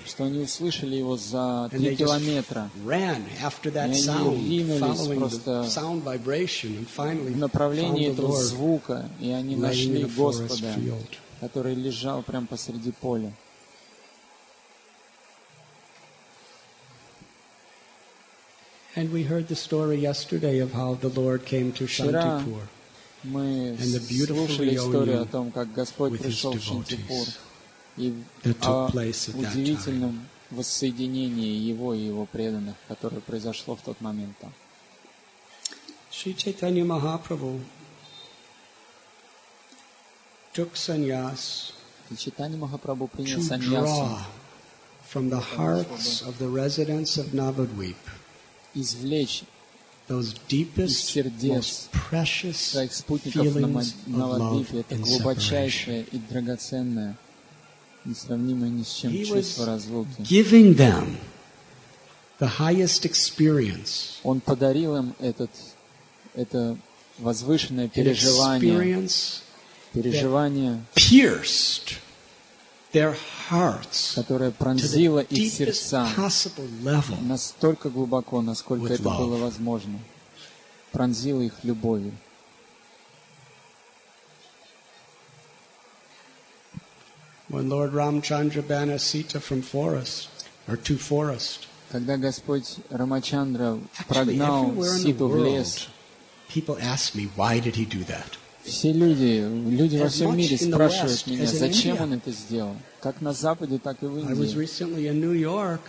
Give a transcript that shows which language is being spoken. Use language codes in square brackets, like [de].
[ru] Что они услышали его за 3 километра. [en] Ran after that sound, following the sound vibration, and finally [ru] в направлении этого звука, и они нашли Господа, который лежал прямо посреди поля. [en] And we heard the story yesterday of how the Lord came to Shantipur. [ru] Мы слышали историю о том, как Господь пришел в Шантипур и о удивительном воссоединении Его и Его преданных, которое произошло в тот момент там. [en] Шри Чайтанья Махапрабху took sannyas to draw from the hearts of the residents of Navadvip those deepest, most precious feelings of love and separation. [ru] Несравнимое ни с чем чувство разлуки. [en] Giving them the highest experience. [ru] Он подарил им это возвышенное переживание. Переживание, [en] pierced their hearts, [ru] которое пронзило их сердца настолько глубоко, насколько это было возможно. Пронзило их любовью. [en] When Lord Ramchandra banished Sita from forest or to forest. [ru] Когда Господь Рамачандра прогнал Ситу в лес. [en] People ask me, why did he do that? [ru] Все люди, люди во всем мире спрашивают меня, зачем он это сделал. Как на Западе, так и в Индии.